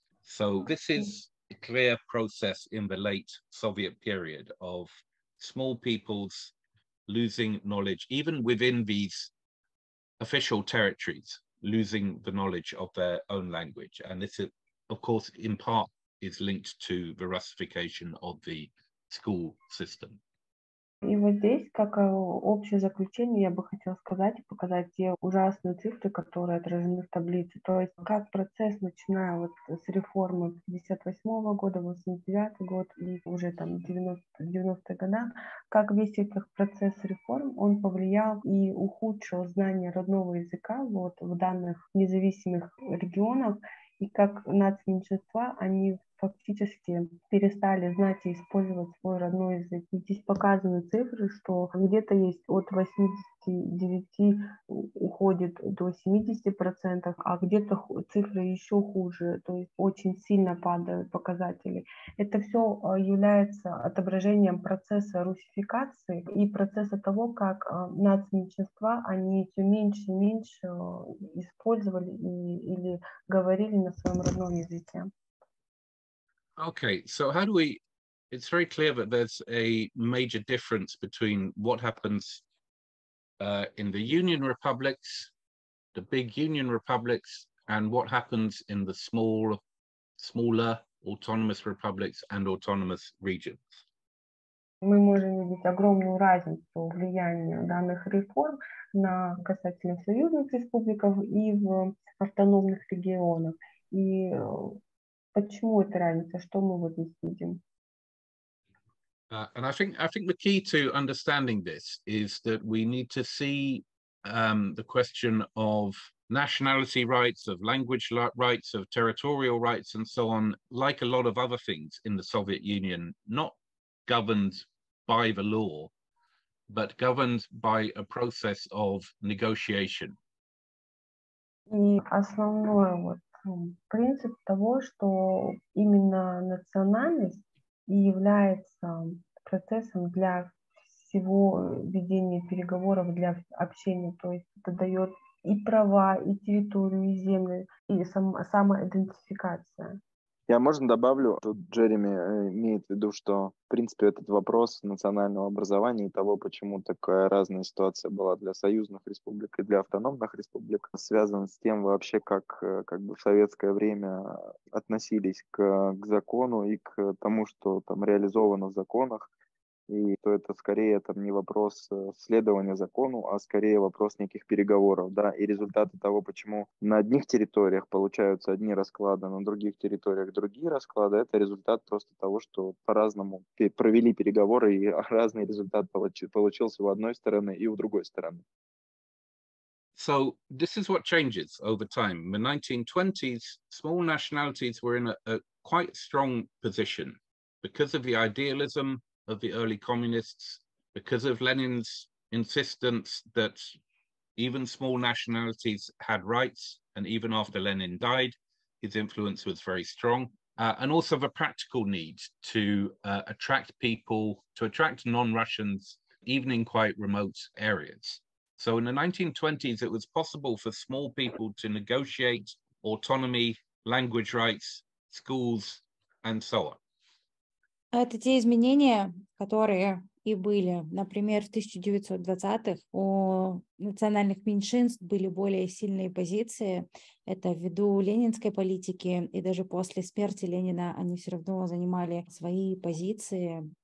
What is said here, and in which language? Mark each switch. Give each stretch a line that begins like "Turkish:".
English: So this is a clear process in the late Soviet period of small peoples losing knowledge, even within these official territories, losing the knowledge of their own language. And this is, of course, in part is linked to the Russification of the school system.
Russian: И вот здесь, как общее заключение, я бы хотела сказать и показать те ужасные цифры, которые отражены в таблице. То есть как процесс, начиная вот с реформы 58-го года, 89-й год и уже там 90-е годы, как весь этот процесс реформ, он повлиял и ухудшил знание родного языка вот в данных независимых регионах, и как нацменьшинства, они фактически перестали знать и использовать свой родной язык. И здесь показаны цифры, что где-то есть от 89 уходит до 70%, а где-то цифры еще хуже, то есть очень сильно падают показатели. Это все является отображением процесса русификации и процесса того, как нацменьшинства, они все меньше и меньше использовали или говорили на своем родном языке.
English: Okay, so how do we It's very clear that there's a major difference between what happens in the Union Republics, the big Union Republics, and what happens in the smaller autonomous republics and autonomous regions.
Russian: Мы можем видеть огромную разницу влияния данных реформ на касательно союзных республик и в автономных регионах. И почему эта разница? Что мы вот здесь видим?
English: And I think the key to understanding this is that we need to see the question of nationality rights, of language rights, of territorial rights, and so on, like a lot of other things in the Soviet Union, not governed by the law, but governed by a process of negotiation.
Russian: И основной вот принцип того, что именно национальность является процессом для всего ведения переговоров, для общения, то есть это дает и права, и территорию, и землю, и самоидентификация. Я можно добавлю, тут Джереми имеет в виду, что, в принципе, этот вопрос национального образования и того, почему такая разная ситуация была для союзных республик и для автономных республик, связан с тем вообще, как бы в советское время относились к закону и к тому, что там реализовано в законах, и то это скорее там не вопрос следования закону, а скорее вопрос неких переговоров, да, и результаты того, почему на одних территориях получаются одни расклады, на других территориях другие расклады, это результат просто того, что по-разному провели переговоры, и разный результат получился у одной стороны и у другой стороны.
English: So this is what changes over time. In the 1920s, small nationalities were in a quite strong position because of the idealism of the early communists, because of Lenin's insistence that even small nationalities had rights, and even after Lenin died, his influence was very strong, and also the practical need to attract people, to attract non-Russians, even in quite remote areas. So in the 1920s, it was possible for small people to negotiate autonomy, language rights, schools, and so on.
Russian: Это те изменения, которые и были. Например, в 1920-х у национальных меньшинств были более сильные позиции. Это ввиду ленинской политики, и даже после смерти Ленина они все равно занимали свои позиции.